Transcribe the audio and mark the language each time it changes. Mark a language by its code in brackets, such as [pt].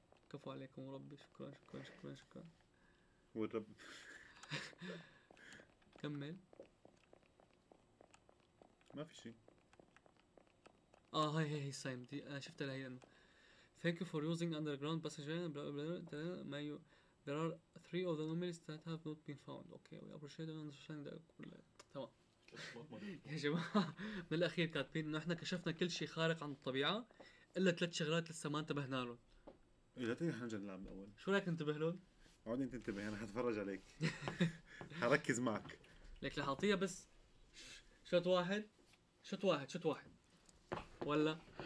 [ar] كفو عليكم ربي، شكرا شكرا شكرا شكرا. والرب. كمل. ما في شيء. اه هاي هاي سايم دي انا شفتها لهي. [en] Thank you for using underground passageway. Blah blah blah. May you. There are three of the anomalies that have not been found. Okay, we appreciate and understand that. [ar] تمام. يا جماعة من الأخير كاتبين إنه إحنا كشفنا كل شيء خارق عن الطبيعة إلا ثلاث شغلات لسه ما انتبهنا لهم. إذا تيجي إحنا نجي نلعب الأول. شو رأيك ننتبه لهم؟ عود أنت انتبه، أنا هتفرج عليك. هركز معك. لك لحاطية بس. شوت واحد. شوت واحد. شوت واحد. ولا.